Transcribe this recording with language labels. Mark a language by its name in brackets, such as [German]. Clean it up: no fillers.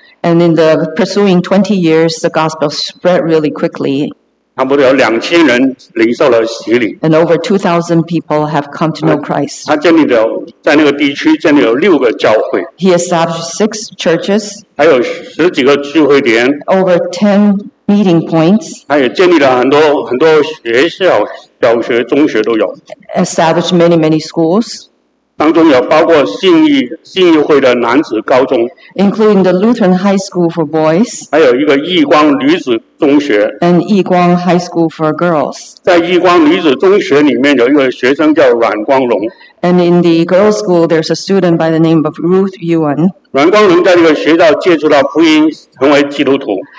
[English] And in the pursuing 20 years, the gospel spread really quickly. [Chinese] 差不多有2000人领受了洗礼。 [English] And over 2,000 people have come to know Christ. [Chinese] 他建立了在那个地区建立了6个教会。 [English] He established 6 churches. [Chinese] 还有10几个聚会点。 [English] Over 10 meeting points. [Chinese] 他也建立了很多很多学校。小学、中学都有。 [English] Established many, many schools. [Chinese] 当中有包括信义会的男子高中。 [English] Including the Lutheran High School for boys. [Chinese] 还有一个义光女子中学。 [English] And 义光 High School for girls. [Chinese] 在义光女子中学里面有一个学生叫阮光荣。 [English] And in the girls' school, there's a student by the name of Ruth Yuan. [Chinese] 阮光荣在这个学校接触到福音，成为基督徒。